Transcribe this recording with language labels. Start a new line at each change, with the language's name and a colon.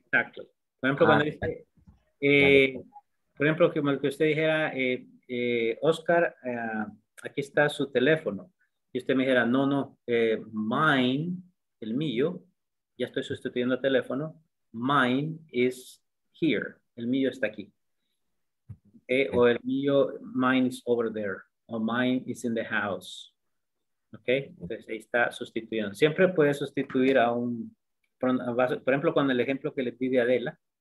Spanish: Exacto. Por ejemplo, cuando dice... Por ejemplo, como el que usted dijera, Oscar, aquí está su teléfono. Y usted me dijera, no,
English: mine,
Spanish: el mío, ya estoy sustituyendo el teléfono.
English: Mine is here.
Spanish: El mío está aquí.
English: Okay.
Spanish: O el mío,
English: mine is over there.
Spanish: O
English: mine is in the house. Ok,
Spanish: entonces ahí está sustituyendo. Siempre puede sustituir a un, por ejemplo, con el ejemplo que le di de Adela.